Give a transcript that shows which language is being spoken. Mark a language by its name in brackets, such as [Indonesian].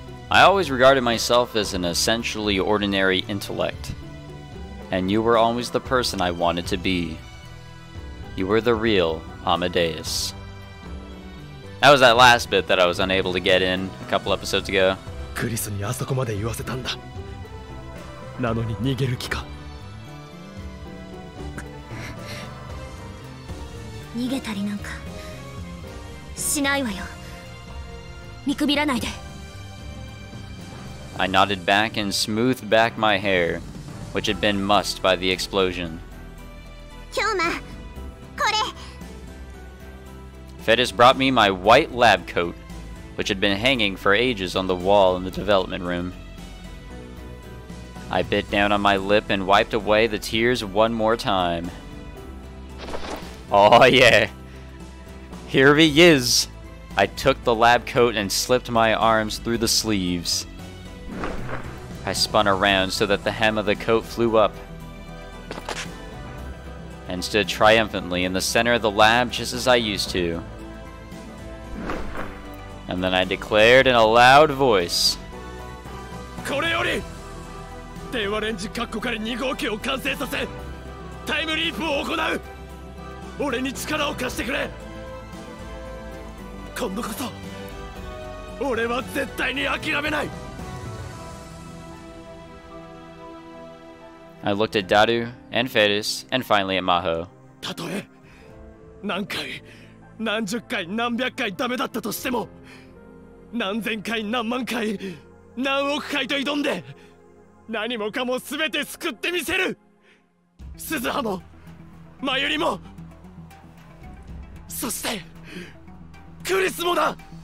[English] I always regarded myself as an essentially ordinary intellect, and you were always the person I wanted to be. You were the real Amadeus. That was that last bit that I was unable to get in a couple episodes ago. [Japanese] クリスにあそこまで言わせたんだ。なのに逃げる気か。逃げたりなんかしないわよ。見くびらないで。 [English] I nodded back and smoothed back my hair, which had been mussed by the explosion. [Japanese] キョーマ、これ。 [English] Fetus brought me my white lab coat, which had been hanging for ages on the wall in the development room. I bit down on my lip and wiped away the tears one more time. Oh yeah! Here he is! I took the lab coat and slipped my arms through the sleeves. I spun around so that the hem of the coat flew up and stood triumphantly in the center of the lab just as I used to. And then I declared in a loud voice, [Japanese] これより電話レンジカッコカリ2号機を完成させタイムリープを行う。俺に力を貸してくれ。今度こそ俺は絶対に諦めない。 [English] I looked at Daru and Fetus and finally at Maho. [Japanese] たとえ何回何十回何百回ダメだったとしても、何千回何万回何億回と挑んで何もかも全て救ってみせる。鈴葉もマユリも、そしてクリスもだ。